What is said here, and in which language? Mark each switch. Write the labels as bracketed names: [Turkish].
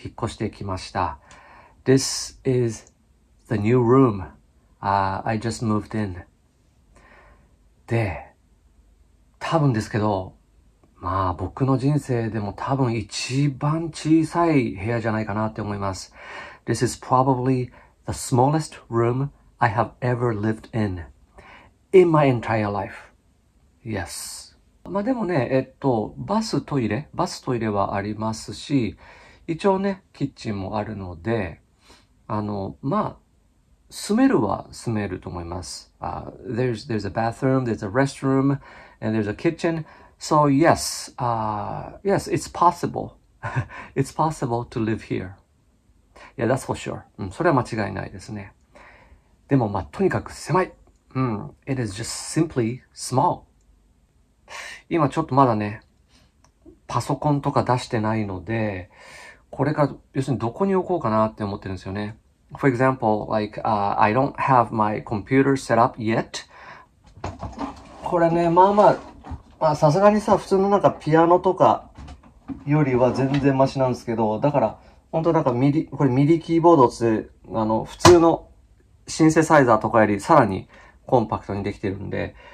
[Japanese] 引っ越してきました。 [English] This is the new room. I just moved in. [Japanese] で、多分ですけど、まあ僕の人生でも多分一番小さい部屋じゃないかなって思います。 [English] This is probably the smallest room I have ever lived in my entire life. Yes. [Japanese] まあでもね、バストイレはありますし、一応ね、キッチンもあるので、まあ、住めると思います。 [English] There's a bathroom, there's a restroom, and there's a kitchen. So yes, yes, it's possible. It's possible to live here. Yeah, that's for sure. [Japanese] それは間違いないですね。でもまあ、とにかく狭い。 [English] It is just simply small. [Japanese] 今ちょっとまだね、パソコンとか出してないので、これが要するにどこに置こうかなって思ってるんですよね。 [English] For example, I don't have my computer set up yet. [Japanese] これね、まあ、さすがにさ、普通のなんかピアノとかよりは全然マシなんですけど、だから、本当なんかミディキーボードって普通のシンセサイザーとかよりさらにコンパクトにできてるんで。